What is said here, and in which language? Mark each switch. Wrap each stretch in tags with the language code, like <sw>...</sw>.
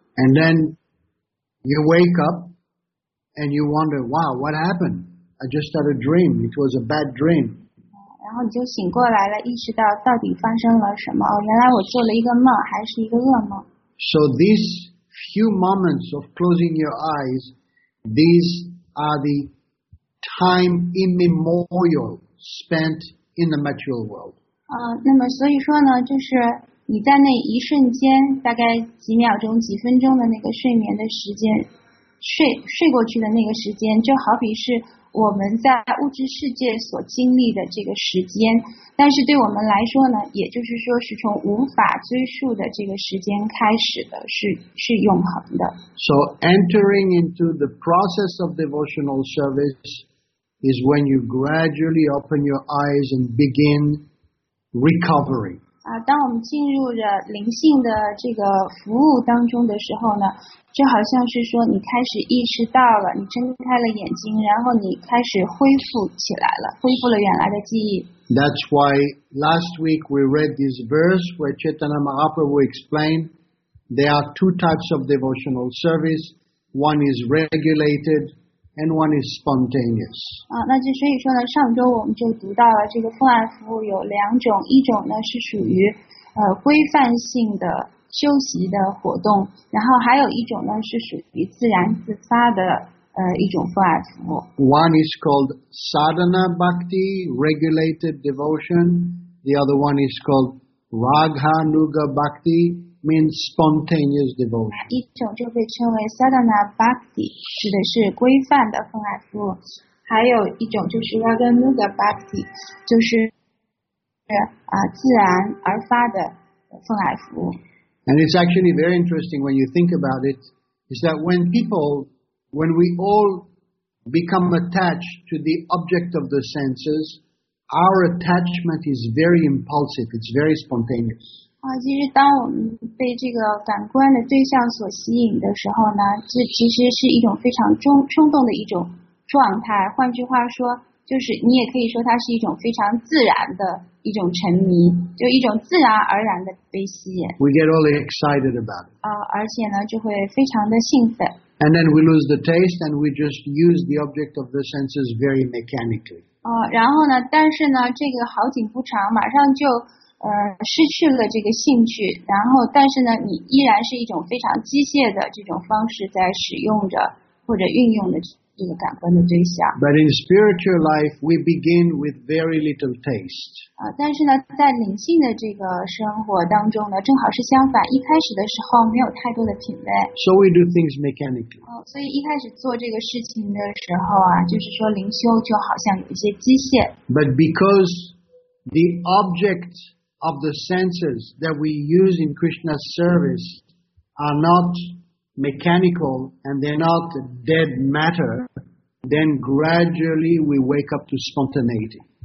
<en>And then you wake up and you wonder, wow, what happened? I just had a dream. It was a bad dream.</en> <zh>然后你就醒过来了，意识到到底发生了什么？原来我做了一个梦，还是一个噩梦。</zh> <en>So these few moments of closing your eyes, these are the time immemorial. Spent in the material world.</en> <zh>那么所以说呢，就是你在那一瞬间，大概几秒钟、几分钟的那个睡眠的时间，睡过去的那个时间，就好比是我们在物质世界所经历的这个时间，但是对我们来说呢，也就是说是从无法追溯的这个时间开始的，是永恒的。</zh> <en>So entering into the process of devotional service is when you gradually open your eyes and begin recovering.</en> <zh>当我们进入着灵性的这个服务当中的时候呢，就好像是说你开始意识到了，你睁开了眼睛，然后你开始恢复起来了，恢复了原来的记忆。</zh> <en>That's why last week we read this verse where Chaitanya Mahaprabhu explained there are two types of devotional service. One is regulated. And one is spontaneous.</en> <zh>那就所以说呢，上周我们就读到了这个奉爱服务有两种，一种呢是属于规范性的休息的活动，然后还有一种呢是属于自然自发的一种奉爱服务。</zh> <en>One is called sadhana bhakti, regulated devotion. The other one is called raga nuga bhakti. Means spontaneous devotion.</en> <zh>一种就被称为 sadhana bhakti， 指的是规范的奉爱服务；还有一种就是 raga nuga bhakti， 就是自然而发的奉爱服务。</zh> <en>And it's actually very interesting when you think about it, is that when we all become attached to the object of the senses, our attachment is very impulsive. It's very spontaneous.</en> <zh>其实当我们被这个感官的对象所吸引的时候呢，这其实是一种非常冲动的一种状态。换句话说，就是你也可以说它是一种非常自然的一种沉迷，就一种自然而然的被吸引。</zh> <en>We get all excited about it.</en> <zh>而且呢，就会非常的兴奋。</zh> <en>And then we lose the taste and we just use the object of the senses very mechanically.</en> <zh>然后呢，但是呢，这个好景不长，马上就失去了这个兴趣，然后但是呢，你依然是一种非常机械的这种方式在使用着或者运用的这个感官的对象。</zh> <en>But in spiritual life, we begin with very little taste.</en> <zh>但是呢，在灵性的这个生活当中呢，正好是相反，一开始的时候没有太多的品味。</zh> <en>So we do things mechanically.</en> <zh>所以一开始做这个事情的时候啊，就是说灵修就好像有一些机械。</zh> <en>But because the object of the senses that we use in Krishna's service are not mechanical and they're not dead matter, then gradually we wake up to spontaneity.</en>